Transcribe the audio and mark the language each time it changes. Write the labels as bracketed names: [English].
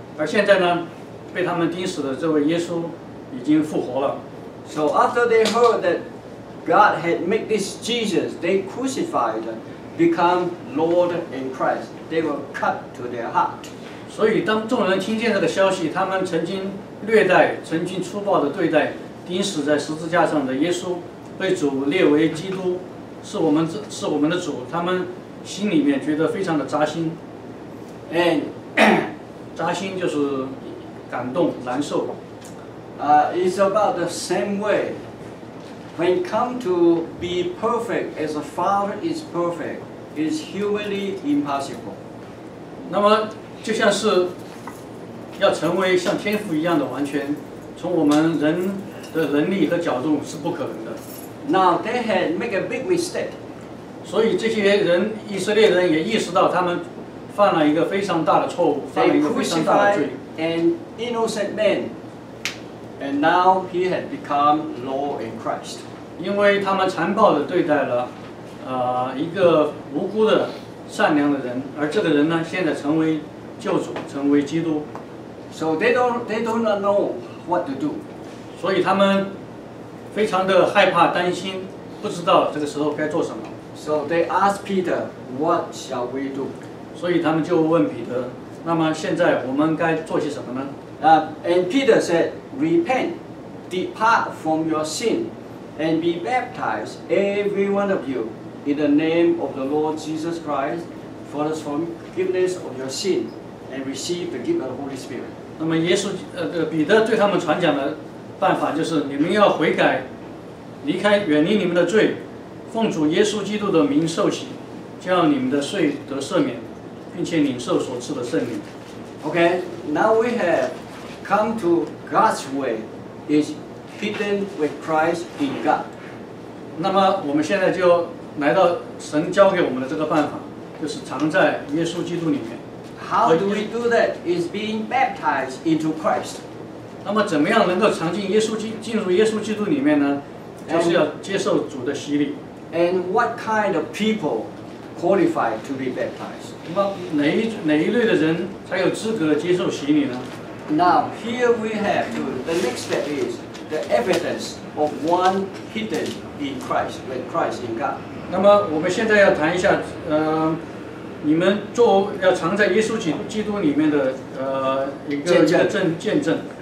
[Chinese] 而现在呢，被他们钉死的这位耶稣已经复活了。 [English] So after they heard that. God had made this Jesus, they crucified, become Lord and Christ. They were cut to their heart. [Chinese] 所以当众人听见这个消息，他们曾经虐待、曾经粗暴的对待、钉死在十字架上的耶稣，被主列为基督，是我们的主。他们心里面觉得非常的扎心。 [English] And [Chinese] 扎心就是感动、难受。 [English] It's about the same way. When come to be perfect as a father is perfect, is humanly impossible. [Chinese] 那么就像是要成为像天父一样的完全，从我们人的能力和角度是不可能的。 [English] Now they had make a big mistake. [Chinese] 所以这些人，以色列人也意识到他们犯了一个非常大的错误，犯了一个非常大的罪。 [English] An innocent man. And now he had become Lord in Christ. [Chinese] 因为他们残暴地对待了一个无辜的善良的人，而这个人呢，现在成为救主，成为基督。 [English] So they don't know what to do. [Chinese] 所以他们非常的害怕、担心，不知道这个时候该做什么。 [English] So they ask Peter, "What shall we do?" [Chinese] 所以他们就问彼得，那么现在我们该做些什么呢？ [English] And Peter said, Repent, depart from your sin, and be baptized, every one of you, in the name of the Lord Jesus Christ, for the forgiveness of your sin, and receive the gift of the Holy Spirit. [Chinese] 那么耶稣彼得对他们传讲的办法就是你们要悔改，离开远离你们的罪，奉主耶稣基督的名受洗，叫你们的罪得赦免，并且领受所赐的圣灵。 [English] Okay, now we have come to God's way is hidden with Christ in God. [Chinese] 那么我们现在就来到神教给我们的这个办法，就是藏在耶稣基督里面。 [English] How do we do that? Is being baptized into Christ. [Chinese] 那么怎么样能够进入耶稣基督里面呢？就是要接受主的洗礼。 [English] And what kind of people qualified to be baptized? [Chinese] 那么哪一类的人才有资格接受洗礼呢？ [English] Now, here we have to, the next step is the evidence of one hidden in Christ, with Christ in God. [Chinese] 那么我们现在要谈一下，你们做要藏在耶稣基督里面的一个见证。